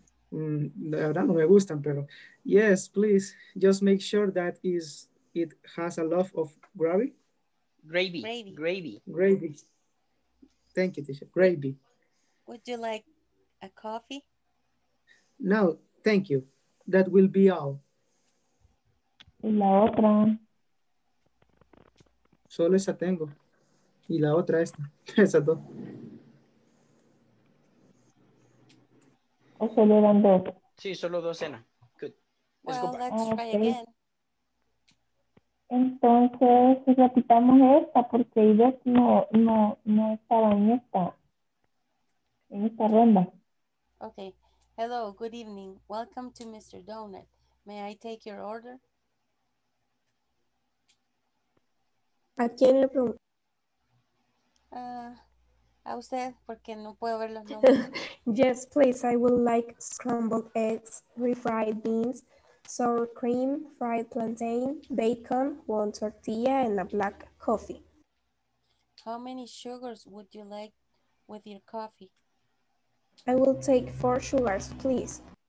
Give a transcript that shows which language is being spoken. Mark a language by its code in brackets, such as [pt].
[es] La verdad no me gustan, pero [en] yes, please. Just make sure that it has a lot of gravy. Gravy. Thank you, teacher. Gravy. Would you like a coffee? No, thank you. That will be all. [es] Y la otra. Solo esa tengo. Y la otra esta. Esa dos. O solo eran dos. Sí, solo docena. Good. [en] Let's well, go back. Let's try again. [es] Entonces, repitamos esta porque ellos no estaban en esta ronda. [en] Okay. Hello, good evening. Welcome to Mr. Donut. May I take your order? [es] ¿A quién le pregunto? A usted, porque no puedo ver los nombres. [en] Yes, please. I would like scrambled eggs, refried beans, sour cream, fried plantain, bacon, one tortilla, and a black coffee. How many sugars would you like with your coffee? I will take 4 sugars, please.